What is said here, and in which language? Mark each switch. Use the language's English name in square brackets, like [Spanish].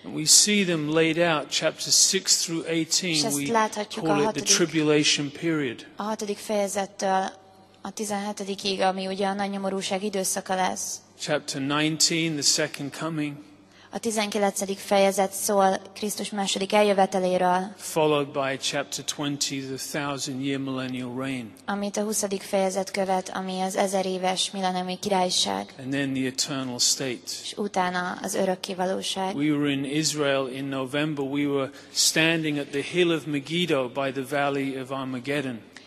[English] We see them laid out, chapters 6 through 18. [Hungarian] És ezt láthatjuk a hatodik. A hatodik fejezettől a 17-ig, ami ugye a nagy nyomorúság időszaka lesz. [English] Chapter 19, the second coming. [Hungarian] A 19. fejezet szól Krisztus második eljöveteléről. [English] Followed by chapter 20, the thousand-year millennial reign. [Hungarian] Amit a 20. fejezet követ, ami az ezer éves milleniumi királyság. [English] And then the eternal state. [Hungarian] És utána az örökké valóság. [English] We were in Israel in November. We were standing at the hill of Megiddo by the valley of Armageddon.